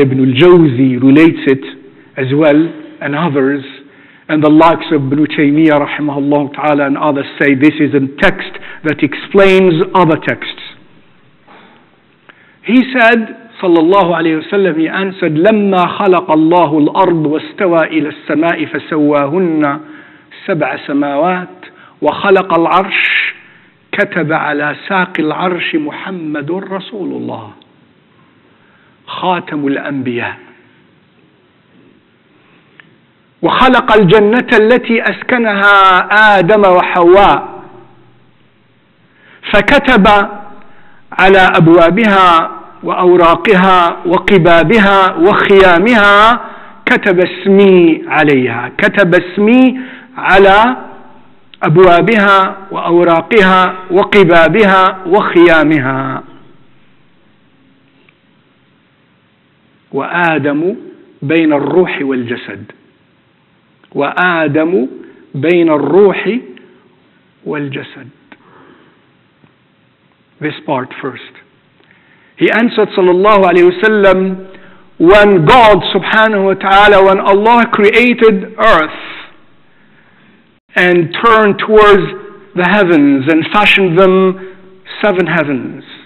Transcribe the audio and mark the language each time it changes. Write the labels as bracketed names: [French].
[English] Ibn al-Jawzi relates it as well, and others, and the likes of Ibn Taymiyyah rahimahullah ta'ala and others say this is a text that explains other texts. He said, sallallahu alayhi wa sallam, he answered, [Arabic] لَمَّا خَلَقَ اللَّهُ الْأَرْضُ وَاسْتَوَى إِلَى السَّمَاءِ فَسَوَّاهُنَّ سَبْعَ سَمَاوَاتِ وَخَلَقَ الْعَرْشِ كَتَبَ عَلَى سَاقِ الْعَرْشِ مُحَمَّدٌ رَسُولُ اللَّهِ خَاتَمُ الْأَنْبِيَاءِ وَخَلَقَ الْجَنَّةَ الَّتِي أَسْكَنَهَا آدَمَ وَحَوَّاءِ فَكَتَبَ على أبوابها وأوراقها وقبابها وخيامها كتب اسمي عليها, كتب اسمي على أبوابها وأوراقها وقبابها وخيامها وآدم بين الروح والجسد, وآدم بين الروح والجسد. [English] This part first. He answered sallallahu alayhi wa sallam, when God subhanahu wa ta'ala, when Allah created earth and turned towards the heavens and fashioned them seven heavens,